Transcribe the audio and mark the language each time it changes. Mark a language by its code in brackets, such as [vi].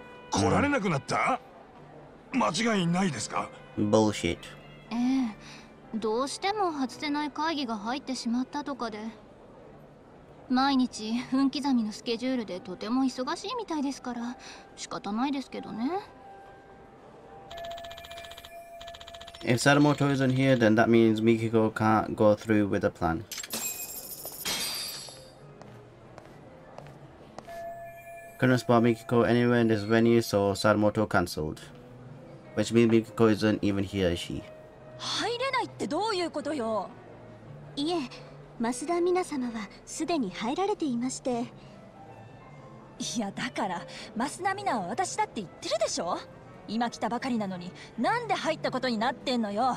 [ja] 来られなくなった?間違いないですか? [en] Bullshit. [ja] ええ。どうしても外せない会議が入ってしまったとかで毎日分刻みのスケジュールでとても忙しいみたいですから仕方ないですけどね [en] If Sadamoto isn't here then that means Mikiko can't go through with the plan Couldn't spot Mikiko anywhere in this venue so Sadamoto cancelled Which means Mikiko isn't even here is she? [ja] 入れないってどういうことよいえ、増田皆様はすでに入られていまして。いや、だから、増田皆は私だって言ってるでしょ今来たばかりなのに、なんで入ったことになってんのよ。